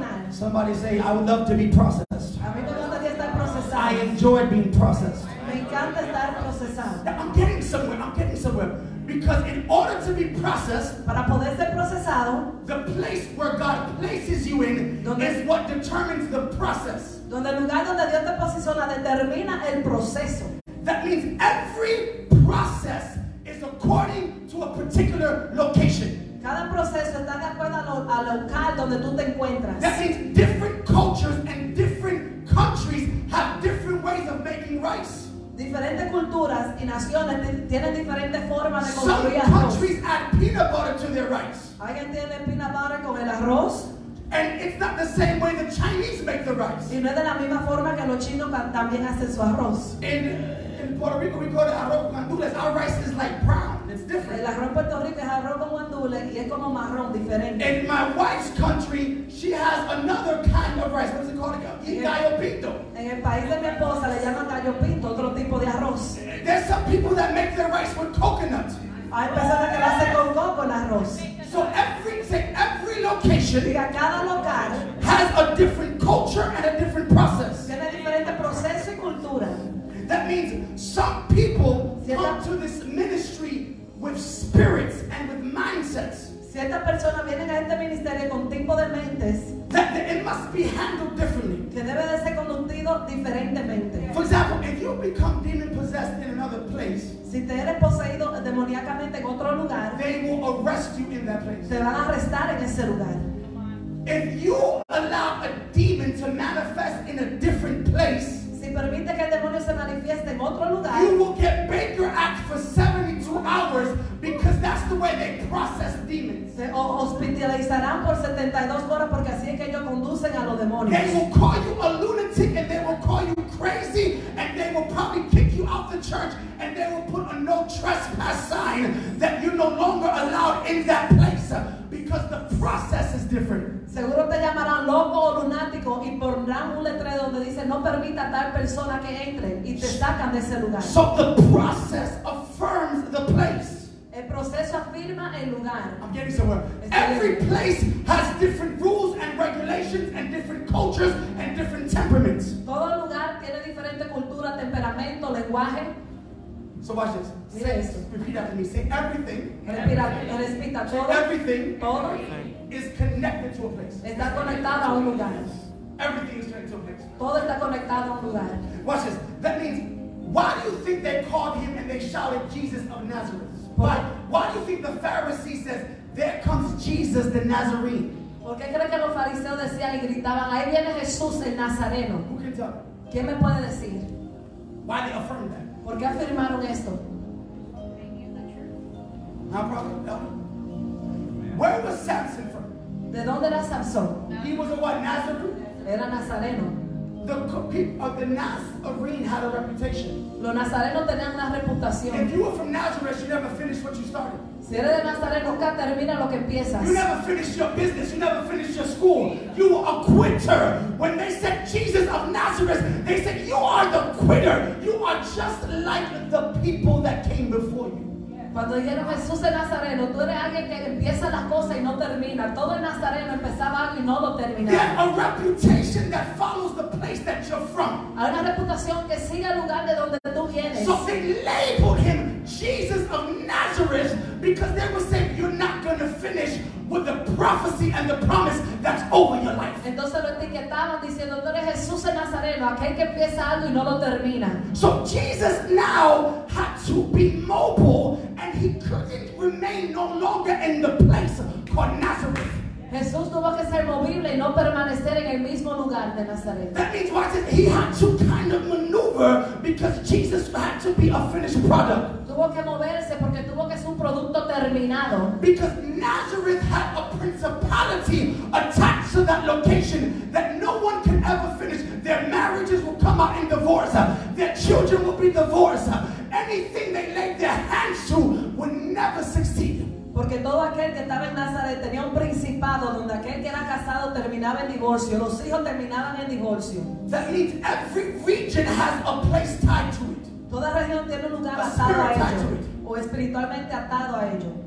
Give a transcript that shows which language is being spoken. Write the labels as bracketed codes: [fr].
[en] Somebody say, I would love to be processed. I enjoy being processed. I'm getting somewhere. Because in order to be processed, [es] para poder ser procesado, [en] the place where God places you in is what determines the process. [es] Donde el lugar donde Dios te posiciona determina el proceso. [en] That means every process is according to a particular location. [es] Cada proceso está de acuerdo al local donde tú te encuentras. [en] That means different cultures and different countries have different ways of making rice. [es] Diferentes culturas y naciones tienen diferentes formas de construir arroz. [en] Some countries add peanut butter to their rice. [es] ¿Alguien tiene peanut butter con el arroz? [en] And it's not the same way the Chinese make the rice. [es] Y no es de la misma forma que los chinos también hacen su arroz. [en] In Puerto Rico, we call it arroz con gandules. Our rice is like brown. It's different. [es] El arroz Puerto Rico es arroz con guandules y es como marrón, diferente. [en] In my wife's country, she has another kind of rice. What is it called again? Gallo pinto. [es] En el país de mi esposa le llaman gallo pinto, otro tipo de arroz. [en] There's some people that make their rice with coconut. [es] Hay personas que lo hacen con coco el arroz. [en] So every location, [es] diga, cada local [en] has a different culture and a different process. [es] Tiene diferente proceso y cultura. [en] That means some people come to this ministry with spirits and with mindsets. [es] Ciertas personas vienen a este ministerio con tipo de mentes. [en] That it must be handled differently. [es] Que debe de ser conducido diferentemente. [en] For example, if you become demon possessed in another place, [es] si te eres poseído demoníacamente en otro lugar, [en] they will arrest you in that place. [es] Te van a arrestar en ese lugar. [en] If you allow a demon to manifest in a different place, [es] si permite que el demonio se manifieste en otro lugar, [en] you will get Baker Act for 72 hours because that's the way they process demons. [es] Se hospitalizarán por 72 horas porque así es que ellos conducen a los demonios. [en] They will call you a lunatic and they will call you crazy and they will probably kick you out the church and they will put a no trespass sign that you're no longer allowed in that place because the process is different. [es] Seguro te llamarán loco o lunático y pondrán un letrero donde dice no permita a tal persona que entre y te sacan de ese lugar. [en] So the process affirms the place. El proceso afirma el lugar. I'm getting somewhere. Every place has different rules and regulations and different cultures and different temperaments. [es] Todo lugar tiene diferente cultura, temperamento, lenguaje. [en] So watch this. Say esto. Repeat after me. Say everything. [es] Respira todo. [en] Say everything. [es] Todo. [en] Is connected to a place. [es] Está conectado a un lugar. [en] Everything is connected to a place. [es] Todo está conectado a un lugar. [en] Watch this. That means, why do you think they called him and they shouted Jesus of Nazareth? Why do you think the Pharisee says, there comes Jesus the Nazarene? [es] ¿Por qué creen que los fariseos decían y gritaban, ahí viene Jesús el Nazareno? [en] Who can tell? [es] ¿Quién me puede decir? [en] Why they affirmed that? [es] ¿Por qué afirmaron esto? [en] No problem. No. Where was Samson from? [es] ¿De dónde era Samson? [en] He was a what? Nazarene? [es] Era Nazareno. [en] The people of the Nazarene had a reputation. [es] Los Nazarenos tenían una reputación. [en] If you were from Nazareth, you never finished what you started. [es] Si eres de Nazaret, nunca termina lo que empiezas. [en] You never finished your business. You never finished your school. You were a quitter. When they said Jesus of Nazareth, they said you are the quitter. You are just like the people that came before you. [es] Cuando dijeron Jesús de Nazareno, tú eres alguien que empieza las cosas y no termina. Todo el Nazareno empezaba algo y no lo terminaba. [en] Get a reputation that follows the place that you're from. [es] Hay una reputación que sigue el lugar de donde tú vienes. [en] So they labeled him Jesus of Nazareth because they were saying you're not going to finish with the prophecy and the promise that's over your life. [es] Entonces lo etiquetaban diciendo tú eres Jesús de Nazareno, aquel que empieza algo y no lo termina. [en] So Jesus now had to be mobile. And he couldn't remain no longer in the place called Nazareth. [es] Jesús tuvo que ser movible y no permanecer en el mismo lugar de Nazaret. [en] That means what? He had to kind of maneuver because Jesus had to be a finished product. [es] Tuvo que moverse porque tuvo que ser un producto terminado. [en] Because Nazareth had a principality attached to that location that no one can ever finish. Their marriages will come out in divorce. Their children will be divorced. Anything they laid their hands to will never succeed. [es] Porque todo aquel que estaba en Nazaret tenía un principado donde aquel que era casado terminaba en divorcio, los hijos terminaban en divorcio. [en] That means every region has a place tied to it. [es] Toda región tiene un lugar atado a ello, o espiritualmente atado a ello.